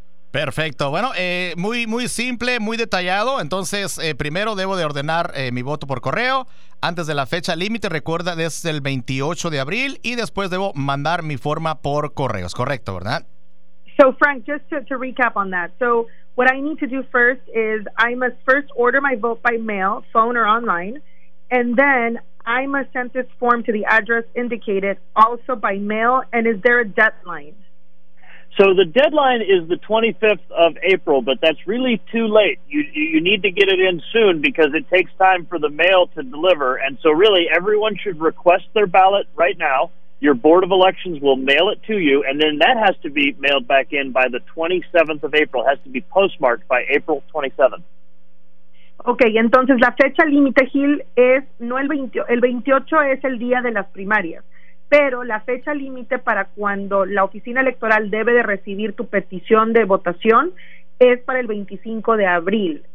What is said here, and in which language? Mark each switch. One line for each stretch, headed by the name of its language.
Spanish: Perfecto. Bueno, muy muy simple, muy detallado. Entonces, primero debo de ordenar mi voto por correo antes de la fecha límite, recuerda, desde el 28 de abril, y después debo mandar mi forma por correo. ¿Es correcto, verdad?
English: So Frank, just to recap on that. So what I need to do first is I must first order my vote by mail, phone or online, and then I must send this form to the address indicated, also by mail. And is there a deadline? So the deadline is the 25th of April, but that's really too late. You need to get it in soon because it takes time for the mail to deliver. And so really everyone should request their ballot right now. Your Board of Elections will mail it to you, and then that has to be mailed back in by the 27th of April. It has to be postmarked by April 27th.
Spanish: Okay, entonces la fecha límite, Gil, es no el 20, el 28 es el día de las primarias, pero la fecha límite para cuando la oficina electoral debe de recibir tu petición de votación es para el 25 de abril.